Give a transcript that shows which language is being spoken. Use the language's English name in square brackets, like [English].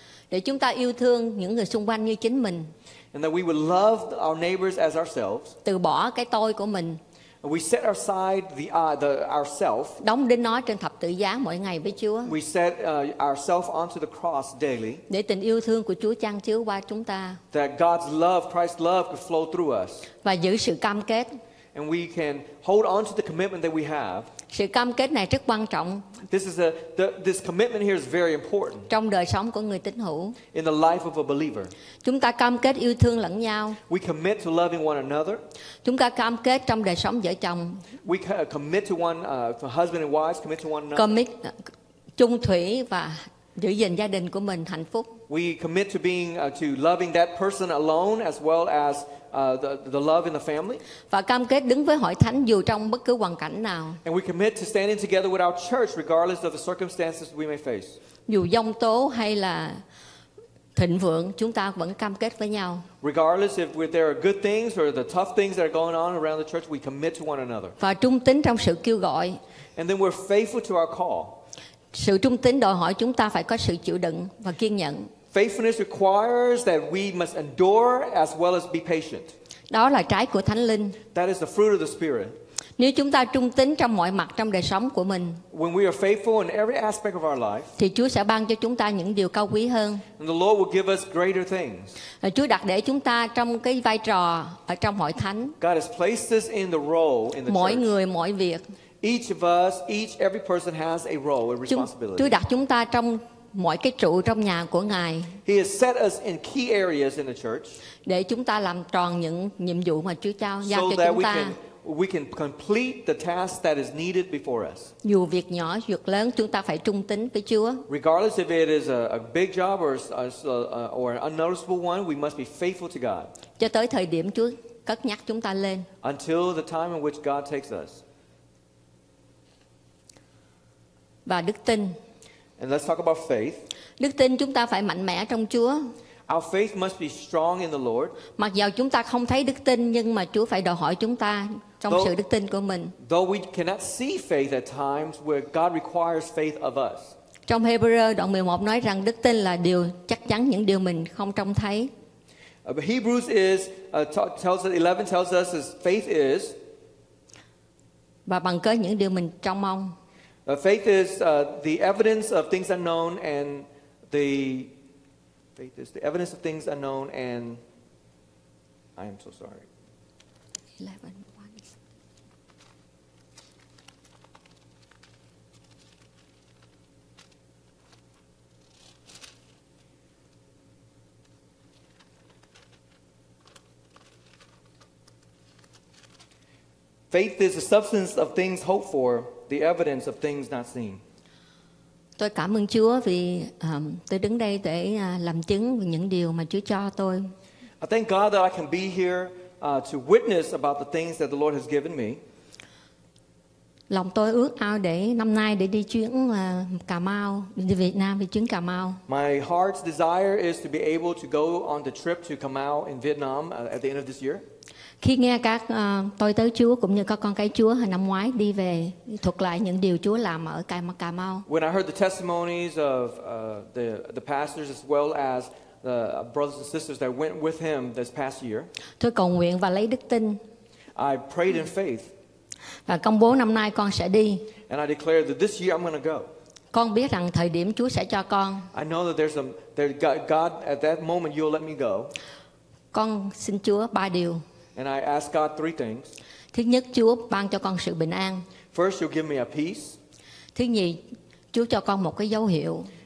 [Vietnamese] Để chúng ta yêu thương những người xung quanh như chính mình. [English] And that we would love our neighbors as ourselves. [Vietnamese] Từ bỏ cái tôi của mình. [English] We set aside the ourself. [Vietnamese] Đóng đinh nó trên thập tự giá mỗi ngày với Chúa. [English] We set ourselves onto the cross daily. [Vietnamese] Để tình yêu thương của Chúa chan chứa qua chúng ta. [English] That God's love, Christ's love, could flow through us. [Vietnamese] Và giữ sự cam kết. [English] And we can hold on to the commitment that we have. [Vietnamese] Sự cam kết này rất quan trọng. [English] This commitment here is very important. [Vietnamese] Trong đời sống của người tín hữu. [English] In the life of a believer. [Vietnamese] Chúng ta cam kết yêu thương lẫn nhau. [English] We commit to loving one another. [Vietnamese] Chúng ta cam kết trong đời sống vợ chồng. [English] We commit to one for husband and wife, commit to one another. [Vietnamese] Commit chung thủy và giữ gìn gia đình của mình hạnh phúc. [English] We commit to being to loving that person alone as well as the love in the family. [Vietnamese] Và cam kết đứng với hội thánh dù trong bất cứ hoàn cảnh nào. [English] And we commit to standing together with our church regardless of the circumstances we may face. [Vietnamese] Dù giông tố hay là thịnh vượng, chúng ta vẫn cam kết với nhau. [English] Regardless if there are good things or the tough things that are going on around the church, we commit to one another. [Vietnamese] Và trung tín trong sự kêu gọi. [English] And then we're faithful to our call. [Vietnamese] Sự trung tín đòi hỏi chúng ta phải có sự chịu đựng và kiên nhẫn. [English] Faithfulness requires that we must endure as well as be patient. [Vietnamese] Đó là trái của Thánh Linh. [English] That is the fruit of the Spirit. [Vietnamese] Nếu chúng ta trung tín trong mọi mặt trong đời sống của mình, [English] when we are faithful in every aspect of our life, [Vietnamese] thì Chúa sẽ ban cho chúng ta những điều cao quý hơn. [English] And the Lord will give us greater things. [Vietnamese] Chúa đặt để chúng ta trong cái vai trò ở trong hội thánh. [English] God has placed us in the role in the [Vietnamese] church. Mỗi người mỗi việc. [English] Each of us, each every person has a role, a responsibility. [Vietnamese] Chúa đặt chúng ta trong mọi cái trụ trong nhà của Ngài. [English] He has set us in key areas in the church. [Vietnamese] Để chúng ta làm tròn những nhiệm vụ mà Chúa giao [English] so [Vietnamese] giao cho [English] that [Vietnamese] chúng ta. [English] We can complete the task that is needed before us. [Vietnamese] Dù việc nhỏ việc lớn, chúng ta phải trung tín với Chúa. [English] Regardless if it is a big job or an unnoticeable one, we must be faithful to God. [Vietnamese] Cho tới thời điểm Chúa cất nhắc chúng ta lên. [English] Until the time in which God takes us. [Vietnamese] Và đức tin. [English] And let's talk about faith. [Vietnamese] Đức tin chúng ta phải mạnh mẽ trong Chúa. [English] Our faith must be strong in the Lord. [Vietnamese] Mặc dù chúng ta không thấy đức tin, nhưng mà Chúa phải đòi hỏi chúng ta trong sự đức tin của mình. [English] Though we cannot see faith at times where God requires faith of us. [Vietnamese] Trong Hebrew đoạn 11 nói rằng đức tin là điều chắc chắn những điều mình không trông thấy. [English] Hebrews is tells us 11 tells us is faith is. [Vietnamese] Và bằng cớ những điều mình trông mong. [English] Faith is the evidence of things unknown and the faith is the evidence of things unknown and I am so sorry. 11. Faith is the substance of things hoped for, the evidence of things not seen. [Vietnamese] Tôi cảm ơn Chúa vì tôi đứng đây để làm chứng về những điều mà Chúa cho tôi. [English] I thank God that I can be here to witness about the things that the Lord has given me. [Vietnamese] Lòng tôi ước ao để năm nay để đi chuyến Cà Mau, đi Việt Nam về chuyến Cà Mau. [English] My heart's desire is to be able to go on the trip to Cà Mau in Vietnam at the end of this year. [Vietnamese] Khi nghe các tôi tới Chúa cũng như các con cái Chúa hồi năm ngoái đi về thuật lại những điều Chúa làm ở Cà Mau. [English] When I heard the testimonies of the pastors as well as the brothers and sisters that went with him this past year. [Vietnamese] Tôi cầu nguyện và lấy đức tin. [English] I prayed in faith. [Vietnamese] Và công bố năm nay con sẽ đi. [English] And I declared that this year I'm going to go. [Vietnamese] Con biết rằng thời điểm Chúa sẽ cho con. [English] I know that there's God at that moment you'll let me go. [Vietnamese] Con xin Chúa ba điều. [English] And I ask God three things. [Vietnamese] Thứ nhất, Chúa ban cho con sự bình an. [English] First, you'll give me a peace. [Vietnamese] Thứ nhì, Chúa cho con một cái dấu hiệu.